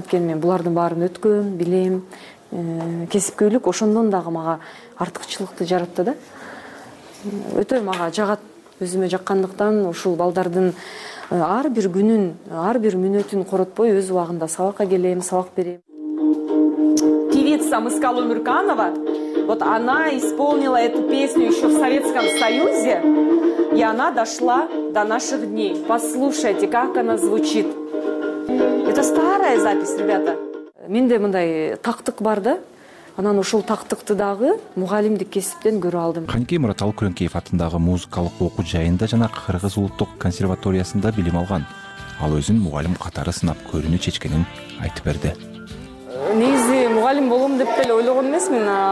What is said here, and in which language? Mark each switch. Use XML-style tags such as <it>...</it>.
<ky>Анткени мен булардын баарын өткөм, билем. Кесипкөйлүк ошондон дагы мага артыкчылыкты жаратты да. Өтө мага жагат, өзүмө жаккандыктан ушул балдардын ар бир күнүн, ар бир мүнөтүн коротпой өз убагында сабакка келем, сабак берем.</ky> <ru>Певица Мыскалы Мүрканова, вот она исполнила эту песню еще в Советском Союзе, и она дошла до наших дней. Послушайте, как она звучит. Это старая запись, ребята.</ru> <ky>Менде мындай тактык бар да. Анан ушул тактыкты дагы мугалимдик кесиптен көрө алдым. Каныкей Мурат Алкүрөнкеев атындагы музыкалык окуу жайында жана Кыргыз улуттук консерваториясында билим алган. Ал өзүн мугалим катары сынап көрүүнү чечкенин айтып берди. Негизи мугалим болом деп деле ойлогон эмесмин.</ky>